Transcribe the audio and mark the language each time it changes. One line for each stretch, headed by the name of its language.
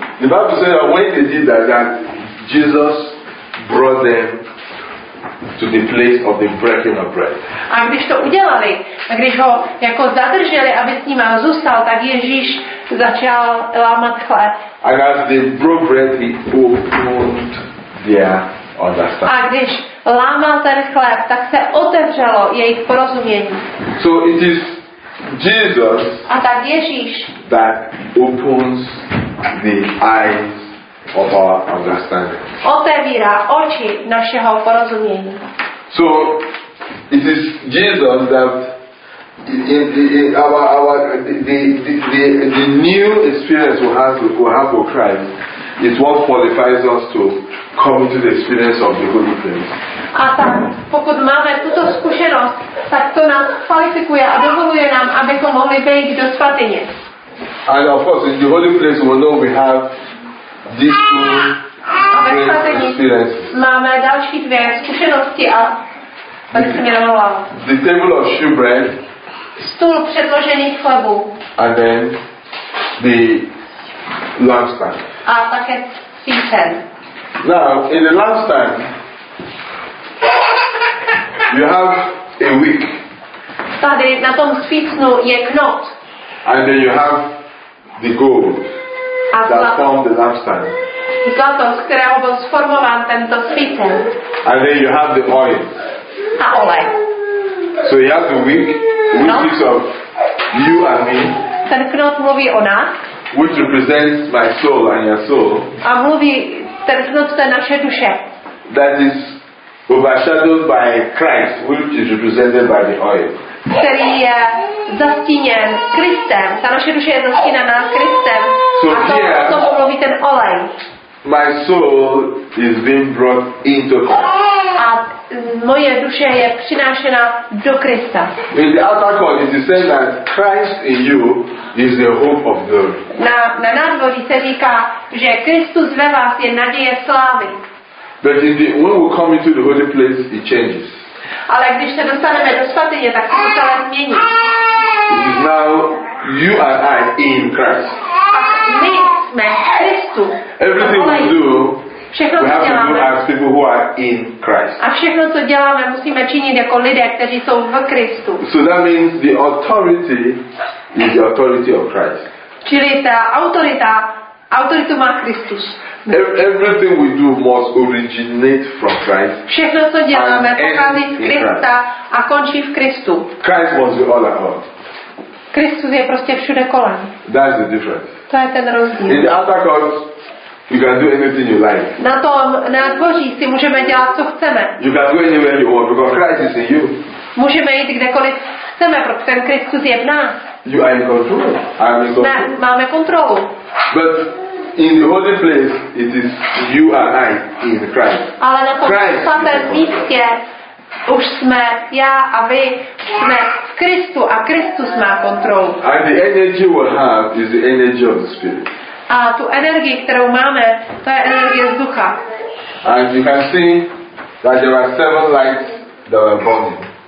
English: The Bible says that when they did that, Jesus brought them to the place of the breaking of bread.
Czech: A když to udělali, když ho jako zadrželi, aby s ním zůstal, tak Ježíš začal lámat chléb.
English: And as they broke bread, he opened their understanding.
Czech: A když lámal ten chléb, tak se otevřelo jejich porozumění.
English: So it is Jesus.
Czech: A tak Ježíš.
English: That opens the eyes of our understanding.
Czech: Otevírá oči našeho porozumění.
English: So it is Jesus that the new experience we have with Christ is what qualifies us to come into the experience of the Holy Spirit.
Czech: A tak, pokud máme tuto zkušenost, tak to nás kvalifikuje a dovoluje nám, abychom mohli vejít do svatyně.
English: And of course, in the Holy Spirit, we know we have these two great experiences.
Czech: Máme další dvě zkušenosti a
English: the table of shewbread.
Czech: Stůl předložených chlebů.
English: And then the lampstand.
Czech: A také svícen.
English: Now, in the lampstand, you have a wick.
Czech: Tady na tom svícnu je knot.
English: And then you have the gold. That formed the lampstand.
Czech: Zlato, z kterého byl sformován tento svícen.
English: And then you have the oil.
Czech: A olej.
English: So you have the wick, which speaks of you and me.
Czech: Ten knot mluví o nás.
English: Which represents my soul and your soul.
Czech: A mluví ten knot, to je naše duše.
English: That is overshadowed by Christ, which is represented by the oil.
Czech: Který je zastíněn Kristem. Ta naše duše je zastíněna Kristem.
English: So
Czech: a to,
English: here,
Czech: to pomluví ten olej.
English: My soul is being brought into Christ.
Czech: A moje duše je přinášena do Krista.
English: In the outer court, it is said that Christ in you is the hope of glory.
Czech: Na nádvoří se říká, že Kristus ve vás je naděje slávy.
English: But when we come into the holy place, it changes.
Czech: Ale když se dostaneme do svatyně, tak se to celé změní.
English: Now you and I in Christ.
Czech: My jsme v Kristu.
English: Everything we do,
Czech: všechno,
English: we have to do as people who are in Christ.
Czech: A všechno, co děláme, musíme činit jako lidé, kteří jsou v Kristu.
English: So that means the authority is the authority of Christ.
Czech: Čili ta autoritu má Kristus.
English: Everything we do must originate from Christ.
Czech: Všechno, co děláme, pochází z Krista a končí v Kristu.
English: Christ must be all at all.
Czech: Kristus je prostě všude kolem.
English: That's the difference.
Czech: To je ten rozdíl.
English: In the outer court, you can do anything you like.
Czech: Na tom nádvoří si můžeme dělat, co chceme.
English: You can go anywhere you want because Christ is in you.
Czech: Můžeme jít kdekoliv chceme, protože ten Kristus je v nás.
English: You are in control. I'm in control. Ne,
Czech: máme kontrolu.
English: But in the holy place, it is you and I in Christ.
Czech: Ale na tom svatém místě už jsme já a vy jsme v Kristu a Kristus má kontrolu.
English: And the energy we have is the energy of the Spirit.
Czech: A tu energii, kterou máme, to je energie z Ducha.
English: And you can see that there are seven lights that are burning.